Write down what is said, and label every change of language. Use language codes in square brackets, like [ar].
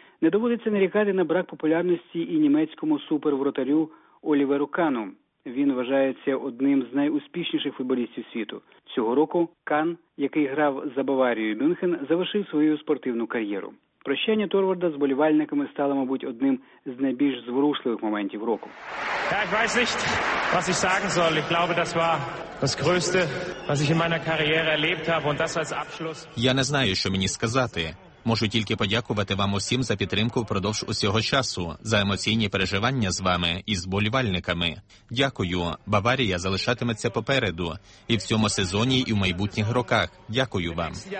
[uk] Не доводиться нарікати на брак популярності і німецькому супервратарю Оліверу Кану. Він вважається одним з найуспішніших футболістів світу. Цього року Кан, який грав за Баварію Мюнхен, завершив свою спортивну кар'єру. Прощання Торварда з болівальниками стало, мабуть, одним з найбільш зворушливих моментів року. [de] Ja, ich weiß nicht, was ich sagen soll. Ich glaube, das war das größte, was ich in meiner Karriere erlebt habe und das als Abschluss. [uk] Я не знаю, що мені сказати. Можу тільки подякувати вам усім за підтримку впродовж усього часу, за емоційні переживання з вами і з болівальниками. Дякую. Баварія залишатиметься попереду і в цьому сезоні, і в майбутніх роках. Дякую вам.